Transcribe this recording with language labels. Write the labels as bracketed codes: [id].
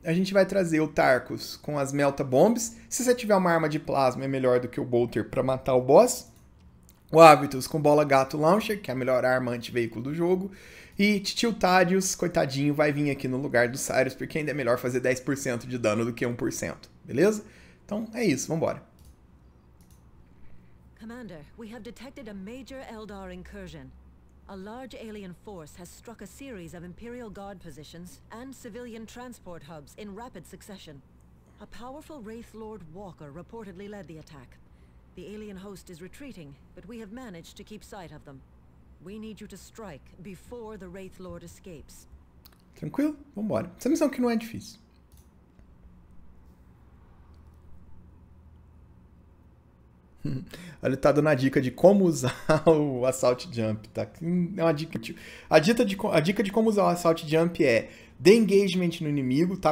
[pt] A gente vai trazer o Tarkus com as Melta Bombs. Se você tiver uma arma de plasma, é melhor do que o Bolter para matar o boss. O Avitus com Bola Gato Launcher, que é a melhor arma anti-veículo do jogo. E Tio Thaddeus, coitadinho, vai vir aqui no lugar do Cyrus, porque ainda é melhor fazer 10% de dano do que 1%, beleza? Então é isso, vambora. [en] Commander, we have detected a major Eldar incursion. A large alien force has struck a series of Imperial Guard positions and civilian transport hubs in rapid succession. A powerful Wraith Lord Walker reportedly led the attack. The alien host is retreating, but we have managed to keep sight of them. We need you to strike before the Wraith Lord escapes. [pt] Tranquilo? Vambora. Essa missão aqui não é difícil. Ele tá dando a dica de como usar o Assault Jump, tá? É uma dica útil. A dica de como usar o Assault Jump é: dê engagement no inimigo, tá?